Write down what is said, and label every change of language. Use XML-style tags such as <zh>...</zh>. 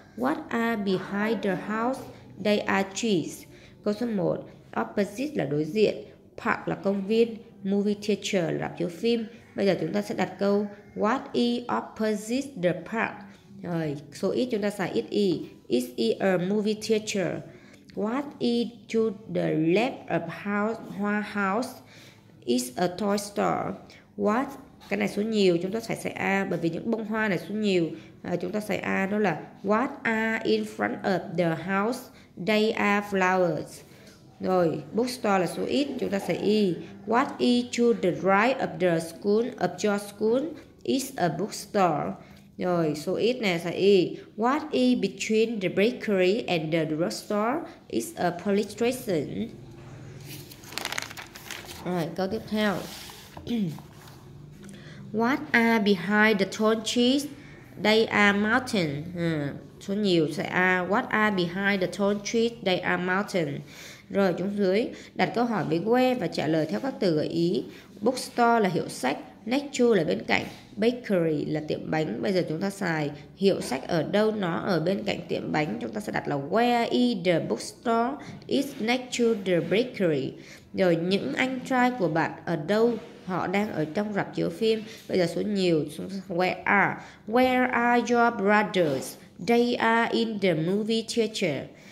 <en>What are behind the house, they are trees.</en> <vi>Câu số 1, opposite là đối diện, park là công viên, movie theater là rạp chiếu phim. Bây giờ chúng ta sẽ đặt câu</vi> <en>what is opposite the park.</en> <vi>Rồi số ít chúng ta xài ít y.</vi> <en>Is it a movie theater? What is to the left of house? Is a toy store?</en> <vi>What, cái này số nhiều chúng ta phải xài a, bởi vì những bông hoa này số nhiều, chúng ta xài a, đó là</vi> <en>what are in front of the house, they are flowers.</en> <vi>Rồi, bookstore là số ít, chúng ta sẽ y.</vi> <en>What is to the right of the school, of your school, is a bookstore.</en> <vi>Rồi, số ít này sẽ y.</vi> <en>What is between the bakery and the drugstore, is a police station.</en> <vi>Rồi, câu tiếp theo.</vi> <en>What are behind the tall trees? They are mountain.</en> <vi>Số nhiều sẽ a.</vi> <en>What are behind the tall trees? They are mountain.</en> <vi>Rồi chúng dưới, đặt câu hỏi với where và trả lời theo các từ gợi ý. Bookstore là hiệu sách, next to là bên cạnh, bakery là tiệm bánh. Bây giờ chúng ta xài hiệu sách ở đâu, nó ở bên cạnh tiệm bánh. Chúng ta sẽ đặt là</vi> <en>where is the bookstore is next to the bakery.</en> <vi>Rồi những anh trai của bạn ở đâu, họ đang ở trong rạp chiếu phim. Bây giờ số nhiều,</vi> <en>where are your brothers? They are in the movie theater.</en>